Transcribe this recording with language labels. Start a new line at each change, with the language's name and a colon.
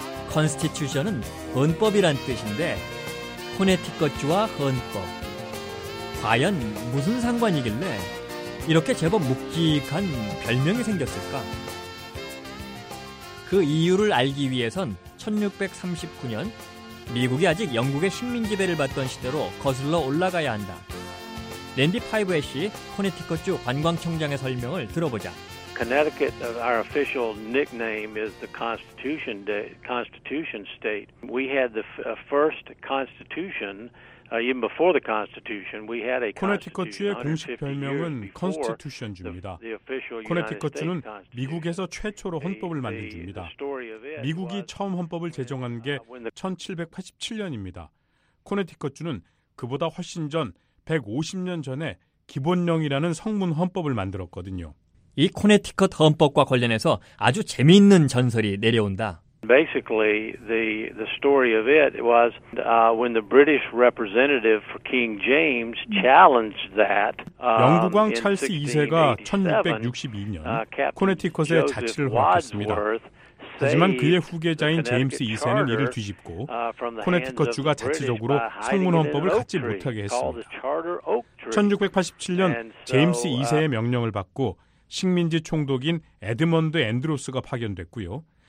Korean: 컨스티튜션은 헌법이란 뜻인데 코네티컷주와 헌법, 과연 무슨 상관이길래 이렇게 제법 묵직한 별명이 생겼을까? 그 이유를 알기 위해선 1639년 미국이 아직 영국의 식민지배를 받던 시대로 거슬러 올라가야 한다. 랜디 파이브햇이 코네티컷주 관광청장의 설명을 들어보자.
English: Connecticut, our official nickname is the Constitution, Constitution State. We had the first Constitution. Even before the Constitution, we had a Constitution.
Korean: 코네티컷주의 공식 별명은 컨스티튜션주입니다. 코네티컷주는 미국에서 최초로 헌법을 만든 주입니다. 미국이 처음 헌법을 제정한 게 1787년입니다. 코네티컷주는 그보다 훨씬 전 150년 전에 기본령이라는 성문 헌법을 만들었거든요. 이 코네티컷 헌법과 관련해서 아주 재미있는 전설이 내려온다.
English: Basically, the story of it was when the British representative for King James challenged that.
Korean: 영국 왕 찰스 2세가 1662년 코네티컷의 자치를 허락했습니다. 하지만 그의 후계자인 제임스 2세는 이를 뒤집고 코네티컷주가 자체적으로 성문헌법을 갖지 못하게 했습니다. 1687년 제임스 2세의 명령을 받고 식민지 총독인 에드먼드 앤드로스가 파견됐고요.